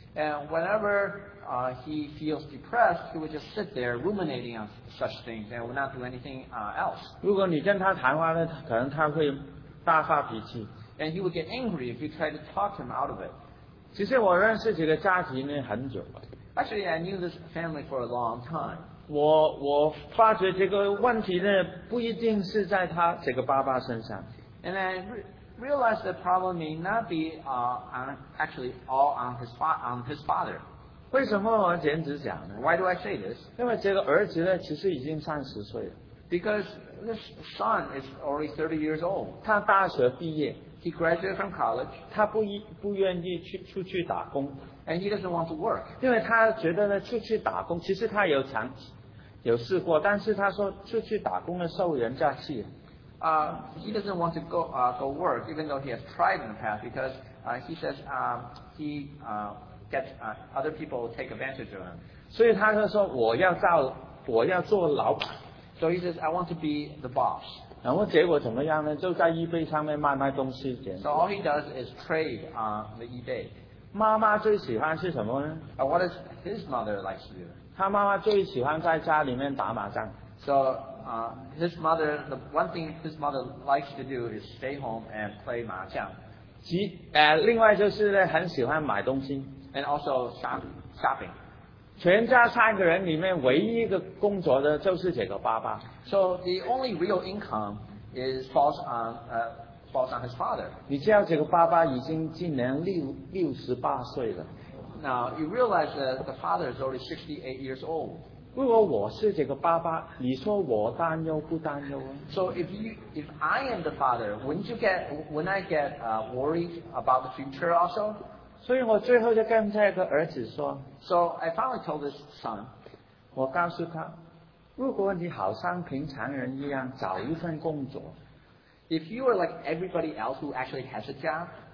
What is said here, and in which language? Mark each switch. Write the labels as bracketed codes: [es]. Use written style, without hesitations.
[en] And whenever he feels depressed, he would just sit there ruminating on such things and would not do anything else. [zh] 如果你跟他谈话呢，可能他会大发脾气。 [en] And he would get angry if you try to talk him out of it. [zh] 其实我认识这个家庭呢很久了。 [en] Actually, I knew this family for a long time. [zh] 我发觉这个问题呢不一定是在他这个爸爸身上。 [en] And I realized the problem may not be on his father. [zh] 为什么我简直讲呢？ [en] Why do I say this? [zh] 因为这个儿子呢其实已经30岁了。 [en] Because this son is already 30 years old. [zh] 他大学毕业。 [en] He graduated from college. [zh] 他不愿意出去打工。 [en] And he doesn't want to work. [zh] 因为他觉得呢出去打工，其实他有尝试有试过，但是他说出去打工呢受人家气。 [en] He doesn't want to go work, even though he has tried in the past, because he says he gets other people take advantage of him. [zh] 所以他就说我要做老板。 [en] So he says I want to be the boss. [zh] 然后结果怎么样呢？就在 eBay 上面卖卖东西。 [en] So all he does is trade on the eBay. [zh] 妈妈最喜欢是什么呢？ [en] What does his mother like to do? [zh] 他妈妈最喜欢在家里面打麻将。 [en] So his mother, the one thing his mother likes to do is stay home and play 麻将。 [zh] 另外就是呢，很喜欢买东西。 [en] And also shopping. [zh] 全家三个人里面唯一一个工作的就是这个爸爸。 [en] So the only real income is falls on his father. [zh] 你知道这个爸爸已经今年68岁了。 [en] Now you realize that the father is already 68 years old. [zh] 如果我是这个爸爸，你说我担忧不担忧？ [en] So if I am the father, wouldn't I get worried about the future also? [zh] 所以我最后就跟这个儿子说。 [en] So I finally told this son. [zh] 我告诉他，如果你好像平常人一样找一份工作。 [en] If you are like everybody else who actually has a job.